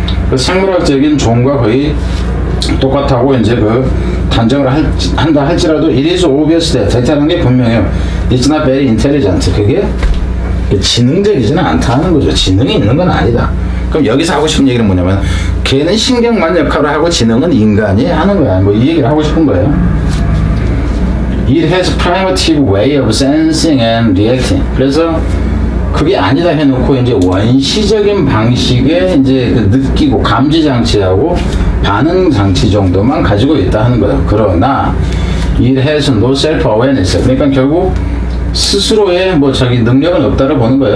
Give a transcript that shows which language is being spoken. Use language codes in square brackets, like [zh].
[ko] 그 생물학적인 종과 거의 똑같다고 이제 그 단정을 한다 할지라도 [en] it is obvious that [ko] 대체하는 게 분명해요. [en] it's not very intelligent [ko] 그게 지능적이지는 않다 하는 거죠. 지능이 있는 건 아니다. 그럼 여기서 하고 싶은 얘기는 뭐냐면 걔는 신경만 역할을 하고 지능은 인간이 하는 거야. 뭐 이 얘기를 하고 싶은 거예요. [en] It has primitive way of sensing and reacting. [ko] 그래서 그게 아니다 해놓고 이제 원시적인 방식의 이제 그 느끼고 감지 장치하고 반응 장치 정도만 가지고 있다 하는 거다. [en] 그러나 it has no self awareness. [ko] 그러니까 결국 스스로의 뭐 자기 능력은 없다를 보는 거예요.